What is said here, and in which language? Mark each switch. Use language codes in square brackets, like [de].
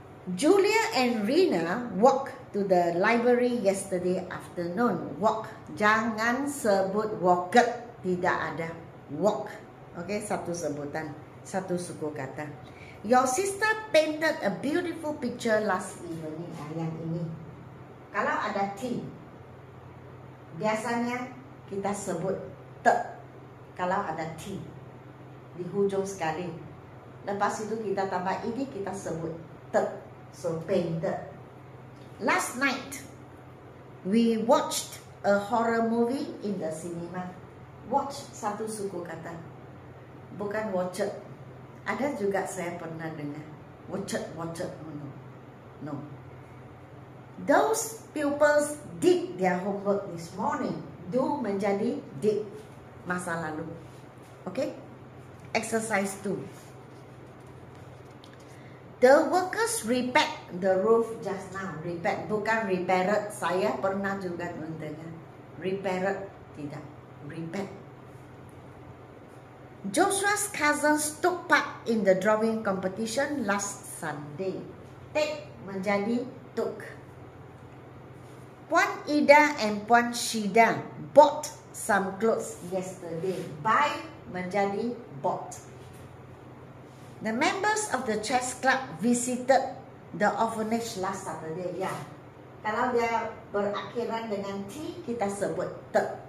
[en] Julia and Rina walk to the library yesterday afternoon. [ms] Walk. Jangan sebut walked. Tidak ada. Walk. Okay, satu sebutan. Satu suku kata. [en] Your sister painted a beautiful picture last evening. [ms] Yang ini. Kalau ada T, biasanya kita sebut T. Kalau ada T di hujung sekali. Lepas itu kita tambah ini, kita sebut T. [en] So painted. Last night we watched a horror movie in the cinema. [ms] Watch satu suku kata, bukan watched. Ada juga saya pernah dengar watched, watched. [en] No, no. Those pupils did their homework this morning. [ms] Do menjadi did, masa lalu. [en] Okay. Exercise 2. The workers repaired the roof just now. Repaired, [ms] bukan [en] repaired. [ms] Saya pernah juga mendengar. Repaired, tidak. Repaired. [en] Joshua's cousins took part in the drawing competition last Sunday. Take menjadi took. Puan Ida and Puan Shida bought some clothes yesterday. Buy menjadi bought. The members of the chess club visited the orphanage last Saturday. [ms] Ya, kalau dia berakhiran dengan T, kita sebut T.